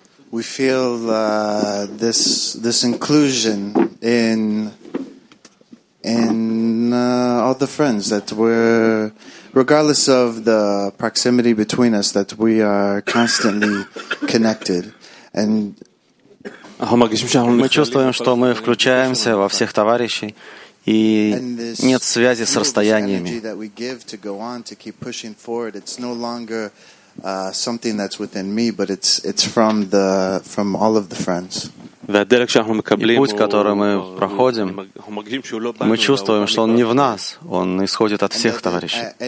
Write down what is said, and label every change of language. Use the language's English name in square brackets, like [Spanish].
[English] We feel this inclusion in all the friends that we're, regardless of the proximity between us, that we are constantly connected. And [Russian] мы чувствуем, что мы включаемся во всех товарищей, и нет связи с расстояниями. [English] Something that's within me, but it's from the from all of the friends. [Russian] И путь, который мы проходим, мы чувствуем, что он не в нас, он исходит от всех товарищей.